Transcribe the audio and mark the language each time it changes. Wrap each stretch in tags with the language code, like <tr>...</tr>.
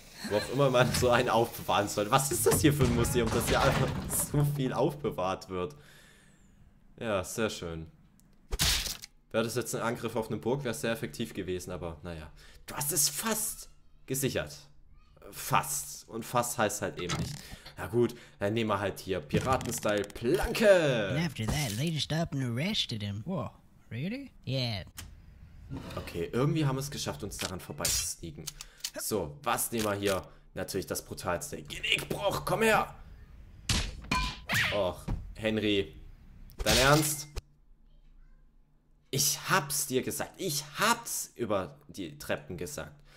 <de>Wo auch immer man so einen aufbewahren soll. Was ist das hier für ein Museum, dass hier einfach so viel aufbewahrt wird? Ja, sehr schön. Wäre das jetzt ein Angriff auf eine Burg, wäre es sehr effektiv gewesen, aber naja. Du hast es fast gesichert. Fast. Und fast heißt halt eben nicht. Na gut, dann nehmen wir halt hier Piratenstyle</de> <en>And</en> <de>Planke!</de> <en>after that, they just stopped and arrested him. Whoa, really? Yeah.</en> <de>Okay, irgendwie haben wir es geschafft, uns daran vorbeizusneaken. So, was nehmen wir hier? Natürlich das Brutalste. Genickbruch, komm her! Och, Henry, dein Ernst? Ich hab's dir gesagt. Ich hab's über die Treppen gesagt.</de>